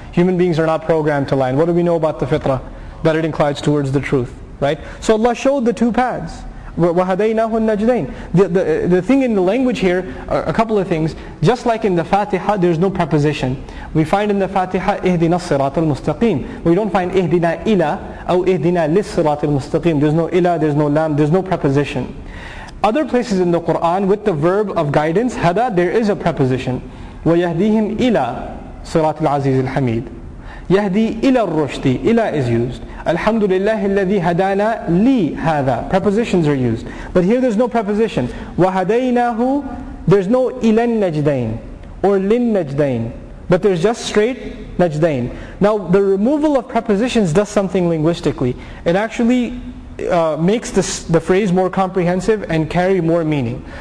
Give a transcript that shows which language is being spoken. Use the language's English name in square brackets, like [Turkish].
[English] Human beings are not programmed to lie. And what do we know about the fitrah? That it inclines towards the truth. Right? So Allah showed the two paths. [Arabic] وَهَدَيْنَهُ النَّجْدَيْنِ [English] The thing in the language here, a couple of things. Just like in the Fatiha, there's no preposition. We find in the Fatiha, [Arabic] اِهْدِنَا الصِّرَاطِ الْمُسْتَقِيمِ. [English] We don't find [Arabic] اِهْدِنَا إِلَى أَوْ اِهْدِنَا لِلصِّرَاطِ الْمُسْتَقِيمِ. [English] There's no إِلَى, there's no لَام, there's no preposition. Other places in the Qur'an, with the verb of guidance, هَدَى, there is a preposition. [Arabic] وَيَهْدِيهِمْ إِلَى صِرَاطِ الْعَزِيزِ الْحَمِيدِ. يهدي إلى الرشد. إلى [English] is used. [Arabic] الحمد لله الذي هدانا لي هذا. [English] Prepositions are used. But here there's no preposition. وهديناه. There's no [Arabic] إلى النجدين [English] or للنجدين. But there's just straight نجدين. Now the removal of prepositions does something linguistically. It actually makes the phrase more comprehensive and carry more meaning.